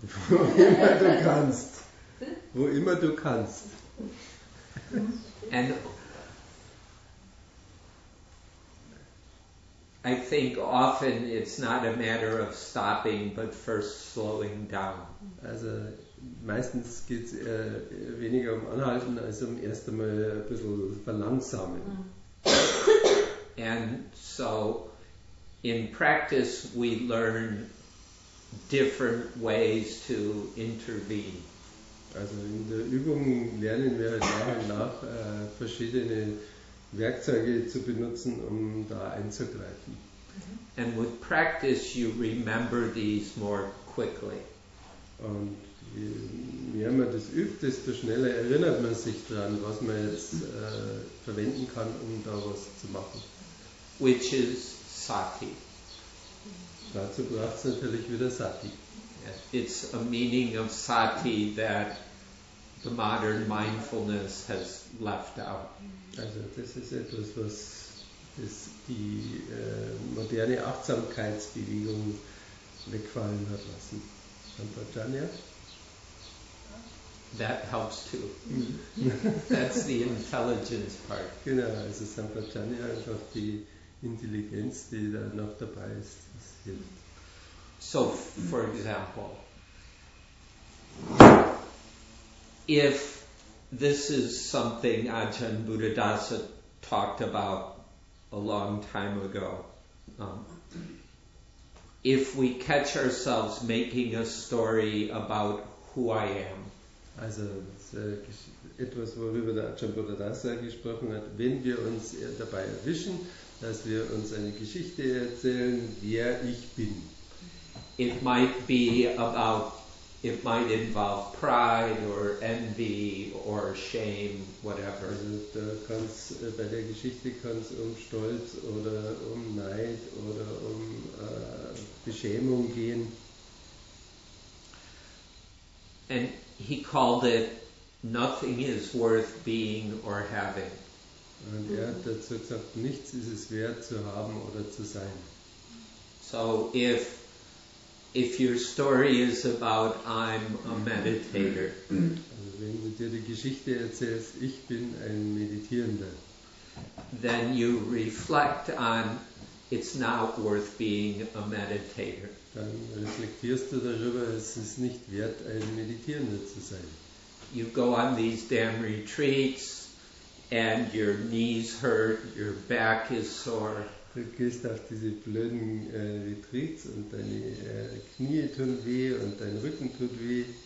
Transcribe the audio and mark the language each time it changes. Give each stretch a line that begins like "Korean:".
German: Wo immer du kannst. Wo immer du kannst.
English: And I think often it's not a matter of stopping, but first slowing down.
German: Also meistens geht's weniger um anhalten als um erst einmal ein bisschen verlangsamen.
English: And so in practice we learn different ways to intervene.
German: Also in der Übung lernen wir nach und nach verschiedene Werkzeuge zu benutzen, um da einzugreifen.
English: And with practice you remember these more quickly.
German: Und je mehr man das übt, desto schneller erinnert man sich daran, was man jetzt verwenden kann, um da was zu machen.
English: Which is Sati.
German: Dazu braucht es natürlich wieder Sati.
English: It's a meaning of Sati that the modern mindfulness has left out.
German: Also das ist etwas, was dass die moderne Achtsamkeitsbewegung wegfallen hat lassen.
Pali: Sampajanya?
English: That helps too. That's the intelligence part.
German: Genau, also Sampajanya, einfach die Intelligenz, die da noch dabei ist, das hilft.
English: So, for example, if this is something Ajahn Buddhadasa talked about a long time ago. If we catch ourselves making a story about who I am.
German: Also etwas, worüber der Ajahn Buddhadasa gesprochen hat, wenn wir uns dabei erwischen, dass wir uns eine Geschichte erzählen, wer ich bin.
English: It might be about, it might involve pride or envy or shame, whatever.
German: Also da kann's, bei der Geschichte kann es um Stolz oder um Neid oder um Beschämung gehen.
English: And he called it, nothing is worth being or having.
German: Und er hat dazu gesagt, nichts ist es wert zu haben oder zu sein.
English: So if your story is about I'm a meditator.
German: Also wenn du dir die Geschichte erzählst, ich bin ein Meditierender.
English: Then you reflect on it's not worth being a meditator.
German: Dann reflektierst du darüber, es ist nicht wert, ein Meditierender zu sein.
English: You go on these damn retreats and your knees hurt, your back is sore.
German: Du gehst auf diese blöden Retreats und deine Knie tun weh und dein Rücken tut weh.